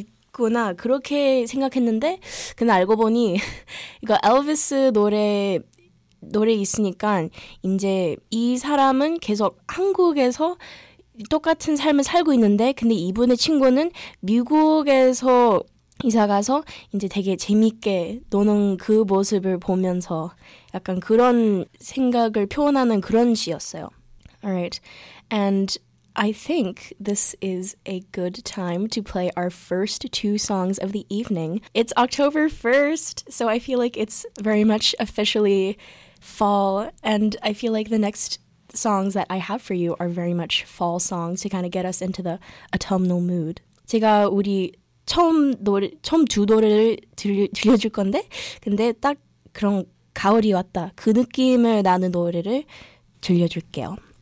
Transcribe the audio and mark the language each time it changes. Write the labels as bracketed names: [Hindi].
[Korean] 구나 그렇게 생각했는데 근데 알고 보니 이거 엘비스 노래 있으니까 이제 이 사람은 계속 한국에서 똑같은 삶을 살고 있는데 근데 이분의 친구는 미국에서 이사 가서 이제 되게 재밌게 노는 그 모습을 보면서 약간 그런 생각을 표현하는 그런 시였어요. [English] Alright, and I think this is a good time to play our first two songs of the evening. It's October 1st, so I feel like it's very much officially fall, and I feel like the next songs that I have for you are very much fall songs to kind of get us into the autumnal mood. [Korean] 제가 우리 처음 두 노래를 들려줄 건데, 근데 딱 그런 가을이 왔다, 그 느낌을 나는 노래를 들려줄게요.